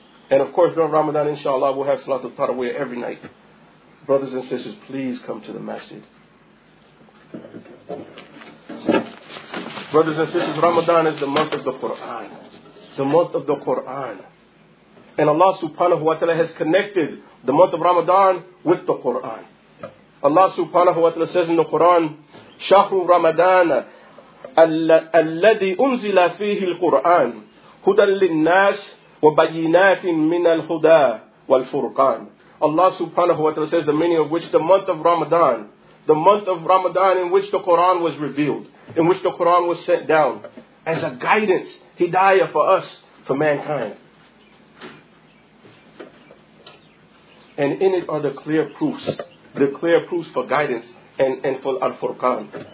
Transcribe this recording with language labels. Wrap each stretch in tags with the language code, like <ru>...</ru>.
<en>And of course, during Ramadan, inshallah, we'll have Salatul Tarawiyah every night. Brothers and sisters, please come to the masjid. Brothers and sisters, Ramadan is the month of the Qur'an. The month of the Qur'an. And Allah subhanahu wa ta'ala has connected the month of Ramadan with the Qur'an.</en> <ar>Allah subhanahu wa ta'ala says in the Qur'an, شَهْرُ رَمَدَانَ الَّذِي أُنزِلَ فِيهِ الْقُرْآنِ هُدًى لِلنَّاسِ وَبَيِّنَاتٍ مِّنَ الْهُدَى وَالْفُرْقَانِ.</ar> <en>Allah subhanahu wa ta'ala says the meaning of which the month of Ramadan, the month of Ramadan in which the Qur'an was revealed, in which the Qur'an was sent down as a guidance, hidayah for us, for mankind. And in it are the clear proofs for guidance and for al-Furqan.</en>